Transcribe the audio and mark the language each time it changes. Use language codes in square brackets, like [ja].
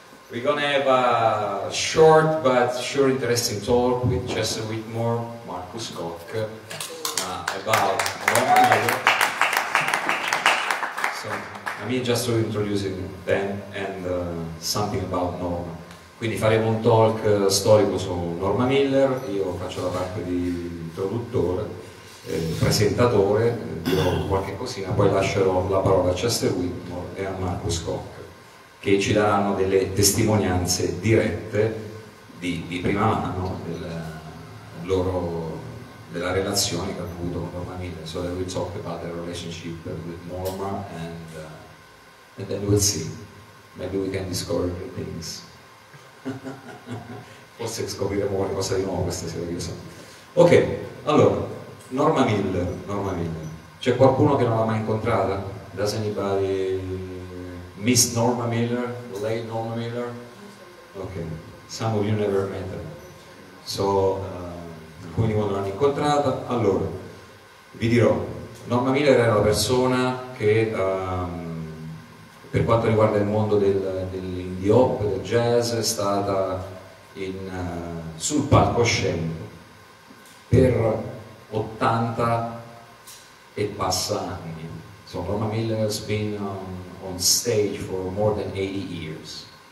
[en] We're gonna have a short but sure interesting talk with Chester Whitmore, Marcus Koch, about Montpellier. So, I mean, just to introduce them and something about Norma. [it] Quindi faremo un talk storico su Norma Miller, io faccio la parte di introduttore, presentatore, dirò qualche cosina, poi lascerò la parola a Chester Whitmore e a Marcus Koch, che ci daranno delle testimonianze dirette di prima mano della relazione che hanno avuto con Norma Miller. [en] So that we talk about the relationship with Norma and then we'll see. Maybe we can discover things. [it] Forse scopriremo qualcosa di nuovo questa sera, che so. Ok, allora, Norma Miller. C'è qualcuno che non l'ha mai incontrata? [en] Does anybody Miss Norma Miller, the late Norma Miller? Okay, some of you never met her. So, [it] alcuni non l'hanno incontrata. Allora, vi dirò, Norma Miller era una persona che, per quanto riguarda il mondo dell'indie hop, del jazz, è stata sul palcoscenico per 80 e passa anni. [en] So, Norma Miller has been on stage for more than 80 years.